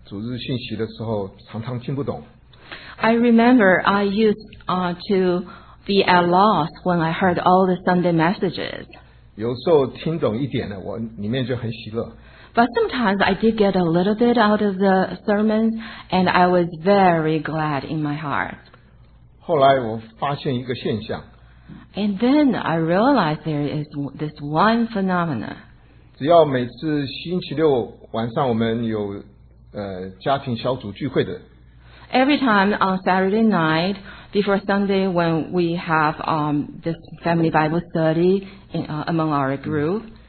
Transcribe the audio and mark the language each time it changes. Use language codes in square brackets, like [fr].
[zh] 我记得以前呢，组织信息的时候常常听不懂。 [en] I remember I used to be at loss when I heard all the Sunday messages. [zh] 有时候听懂一点呢，我里面就很喜乐。 [en] But sometimes I did get a little bit out of the sermon, and I was very glad in my heart. [zh] 后来我发现一个现象。 [en] And then I realized there is this one phenomenon. [zh] 只要每次星期六晚上我们有家庭小组聚会的。 [en] Every time on Saturday night, before Sunday, when we have this family Bible study in, among our group,